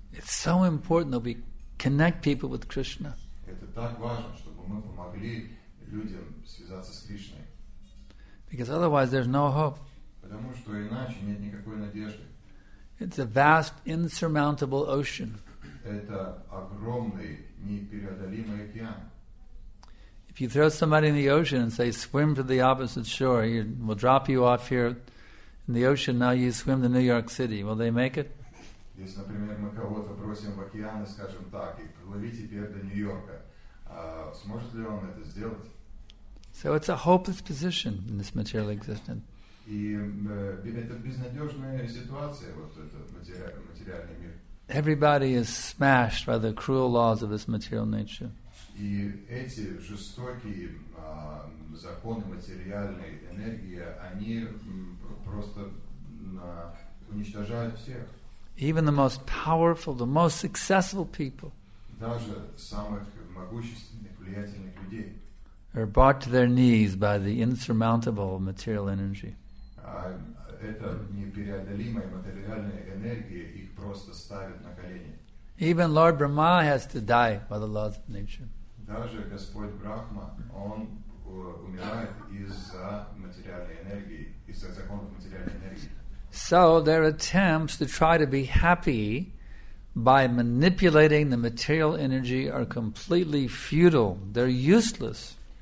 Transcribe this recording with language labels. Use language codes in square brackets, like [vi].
[en] It's so important that we connect people with Krishna. [ru] Это так важно, чтобы мы помогли людям связаться с Кришной. [en] Because otherwise there's no hope. [ru] Потому что иначе нет никакой надежды. [en] It's a vast, insurmountable ocean. [ru] Это огромный непреодолимый океан. [en] If you throw somebody in the ocean and say, swim to the opposite shore, we'll drop you off here in the ocean, now you swim to New York City, will they make it? [ru] Если, например, мы кого-то бросим в океан и скажем так, и плыви теперь до Нью-Йорка, сможет ли он это сделать? [en] So it's a hopeless position in this material existence. [ru] И это безнадежная ситуация, вот этот материальный мир. [en] Everybody is smashed by the cruel laws of this material nature. [ru] И эти жестокие законы материальной энергии, они просто уничтожают всех. [en] Even the most powerful, the most successful people. [ru] Даже самых могущественных, влиятельных людей. [en] Are brought to their knees by the insurmountable material energy. [ru] Это непреодолимая материальная энергия их просто ставит на колени. [en] Even Lord Brahma has to die by the laws of nature. [ru] Даже Господь Брахма, он умирает из-за материальной энергии, из-за законов материальной энергии. [en] So their attempts to try to be happy by manipulating the material energy are completely futile. They're useless.